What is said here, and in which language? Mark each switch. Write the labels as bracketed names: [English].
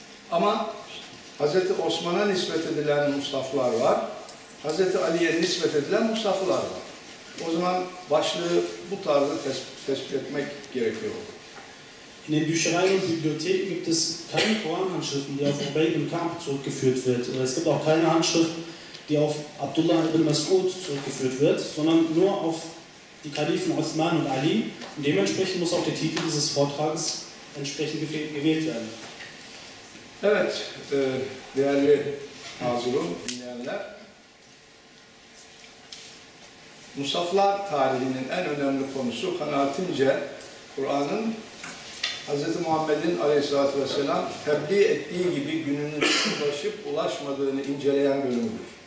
[Turkish] Ama Hazreti Osman'a nispet edilen Mushaflar var. Hazreti Ali'ye nispet edilen Mushaflar var. O zaman başlığı bu tarzı tespit etmek gerekiyor. [German] In den Büchereien und Bibliotheken gibt es keine Koranhandschriften, die auf Ubay ibn Ka'b zurückgeführt wird. Oder es gibt auch keine Handschrift, die auf Abdullah ibn Mas'ud zurückgeführt wird, sondern nur auf die Kalifen Osman und Ali. Und dementsprechend muss auch der Titel dieses Vortrags entsprechend gewählt werden. [Turkish] Evet, değerli hazırım, dinleyenler. Musaflar tarihinin en önemli konusu kanaatimce Kur'an'ın Hz. Muhammed'in aleyhissalatü vesselam tebliğ ettiği gibi gününün ulaşıp ulaşmadığını inceleyen bölümdür.